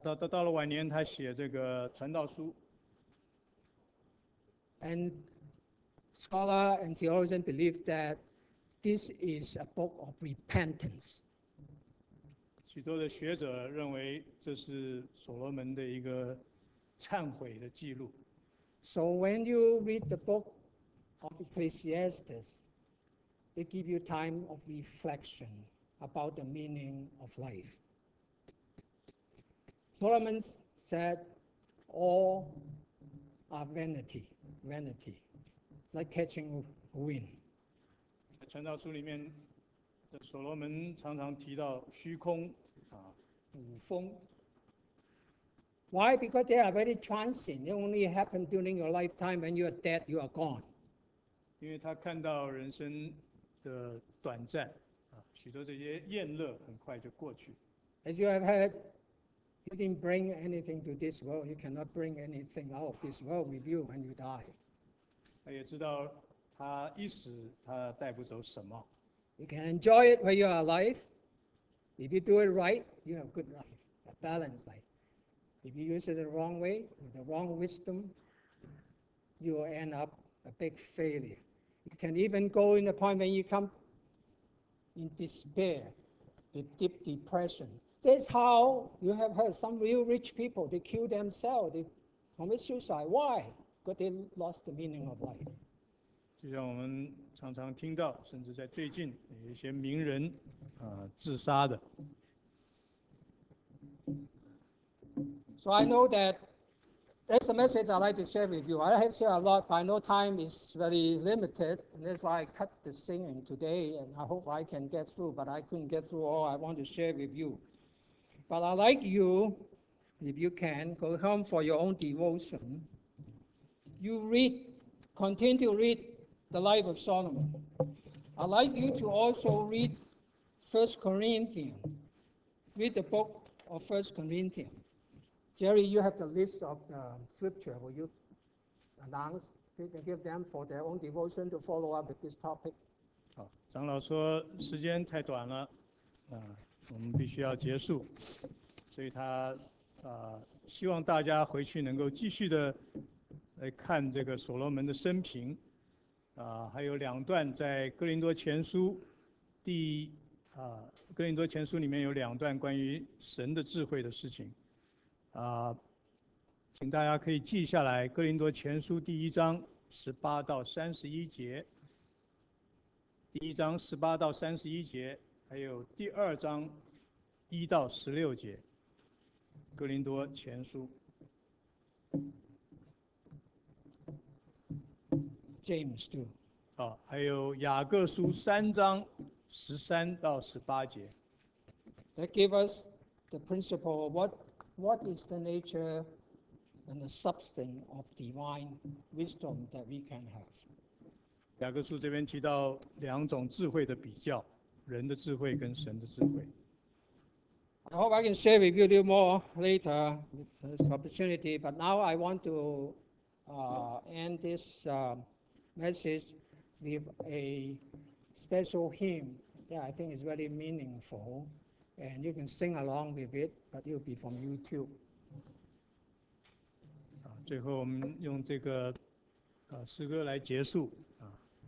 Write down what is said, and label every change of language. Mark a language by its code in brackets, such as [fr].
[zh] 到了晚年，他写这个传道书。 [en] And scholar and theologian believe that this is a book of repentance. [zh] 许多的学者认为这是所罗门的一个忏悔的记录。 [en] So when you read the book of Ecclesiastes, it gives you time of reflection about the meaning of life. Solomon said, all are vanity, vanity, like catching wind. [zh] 在传道书里面，所罗门常常提到虚空，捕风。 [en] Why? Because they are very transient. They only happen during your lifetime. When you are dead, you are gone. [zh] 因为他看到人生的短暂，许多这些宴乐很快就过去。 [en] As you have heard, you didn't bring anything to this world. You cannot bring anything out of this world with you when you die. [zh] 他也知道他一死他带不走什么。 [en] You can enjoy it when you are alive. If you do it right, you have good life, a balanced life. If you use it the wrong way, with the wrong wisdom, you will end up a big failure. You can even go in a point when you come in despair, with deep depression. That's how you have heard some real rich people, they kill themselves, they commit suicide. Why? Because they lost the meaning of life. [zh] 就像我们常常听到，甚至在最近，有一些名人，自杀的。 [en] So I know that that's a message I'd like to share with you. I have shared a lot, but I know time is very limited, and that's why I cut the singing today, and I hope I can get through, but I couldn't get through all I want to share with you. But I'd like you, if you can, go home for your own devotion. You read, continue to read the life of Solomon. I'd like you to also read 1 Corinthians, read the book of 1 Corinthians. Jerry, you have the list of the scripture. Will you announce? They can give them for their own devotion to follow up with this topic. [zh] 好，长老说时间太短了，我们必须要结束，所以他希望大家回去能够继续的来看这个所罗门的生平，还有两段在哥林多前书第哥林多前书里面有两段关于神的智慧的事情。请大家可以记下来《哥林多前书》第一章18-31节，第一章18-31节，还有第二章1-16节，《哥林多前书》。 [en] James 2。 [zh] 还有《雅各书》3:13-18节。 [en] That give us the principle of what. What is the nature and the substance of divine wisdom that we can have? [zh] 雅各书这边提到两种智慧的比较，人的智慧跟神的智慧。 [en] I hope I can share with you a little more later with this opportunity, but now I want to end this message with a special hymn that I think is very meaningful. And you can sing along with it, but it'll be from YouTube. [zh] 最后我们用这个诗歌来结束啊。